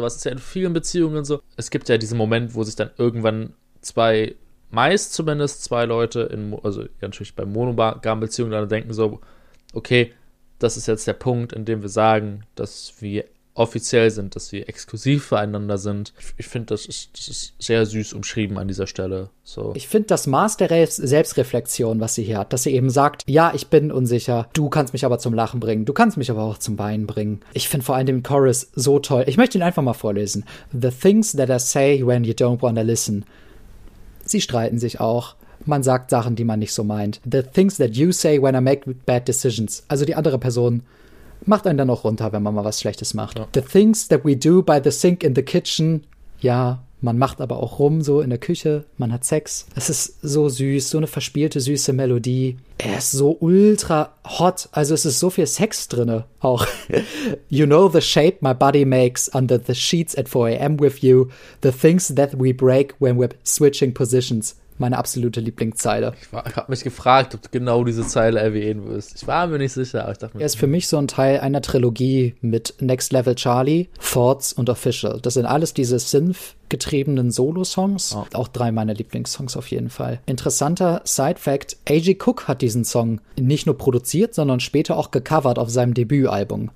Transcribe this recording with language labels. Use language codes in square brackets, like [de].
[de] Sowas ist ja in vielen Beziehungen so. Es gibt ja diesen Moment, wo sich dann irgendwann meist zumindest zwei Leute, also ja, natürlich bei monogamen Beziehungen dann denken so, okay, das ist jetzt der Punkt, in dem wir sagen, dass wir offiziell sind, dass wir exklusiv füreinander sind. Ich finde, das ist sehr süß umschrieben an dieser Stelle. So. Ich finde das Maß der Selbstreflexion, was sie hier hat, dass sie eben sagt, ja, ich bin unsicher, du kannst mich aber zum Lachen bringen, du kannst mich aber auch zum Weinen bringen. Ich finde vor allem den Chorus so toll. Ich möchte ihn einfach mal vorlesen. [en] The things that I say when you don't wanna listen. [de] Sie streiten sich auch. Man sagt Sachen, die man nicht so meint. [en] The things that you say when I make bad decisions. [de] Also die andere Person macht einen dann auch runter, wenn man mal was Schlechtes macht. Ja. [en] The things that we do by the sink in the kitchen. [de] Ja, man macht aber auch rum so in der Küche. Man hat Sex. Es ist so süß, so eine verspielte, süße Melodie. Er ist so ultra hot. Also es ist so viel Sex drinne auch. [en] You know the shape my body makes under the sheets at 4 a.m. with you. The things that we break when we're switching positions. [de] Meine absolute Lieblingszeile. Ich habe mich gefragt, ob du genau diese Zeile erwähnen wirst. Ich war mir nicht sicher, aber ich dachte mir... Er ist für mich so ein Teil einer Trilogie mit Next Level Charlie, Thoughts und Official. Das sind alles diese Synth getriebenen Solo-Songs. Oh. Auch drei meiner Lieblingssongs auf jeden Fall. Interessanter Side-Fact, A.G. Cook hat diesen Song nicht nur produziert, sondern später auch gecovert auf seinem Debütalbum.